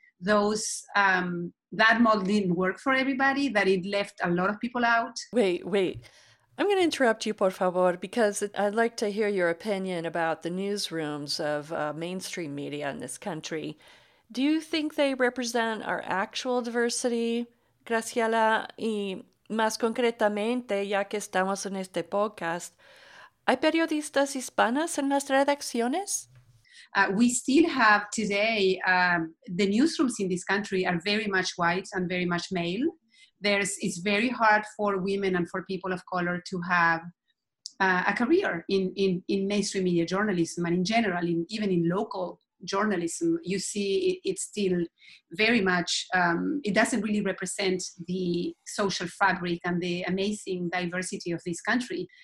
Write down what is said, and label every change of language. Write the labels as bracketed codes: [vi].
[en] those that model didn't work for everybody, that it left a lot of people out. Wait. I'm going to interrupt you, [es] por favor, [en] because I'd like to hear your opinion about the newsrooms of mainstream media in this country. Do you think they represent our actual diversity, Graciela? [es] Y más concretamente, ya que estamos en este podcast, ¿hay periodistas hispanas en las redacciones? [en] We still have today, the newsrooms in this country are very much white and very much male. It's very hard for women and for people of color to have a career in mainstream media journalism, and in general, even in local journalism, you see it's still very much, it doesn't really represent the social fabric and the amazing diversity of this country.